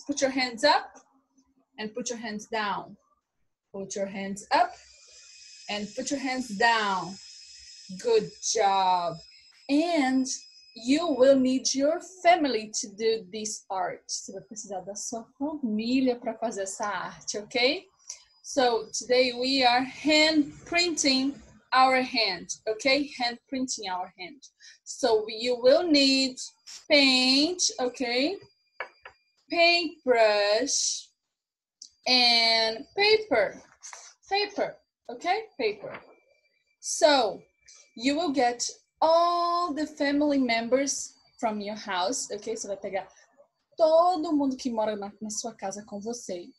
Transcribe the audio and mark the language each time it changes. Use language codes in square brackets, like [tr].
[en] Put your hands up and put your hands down. Put your hands up and put your hands down. Good job. And you will need your family to do this art. [pt] Você vai precisar da sua família para fazer essa arte, okay? [en] So today we are hand printing our hand, okay? Hand printing our hand. So you will need paint, okay? Paintbrush and paper. Paper, okay? Paper. So you will get all the family members from your house, okay? [pt] Você vai pegar todo mundo que mora na sua casa com você.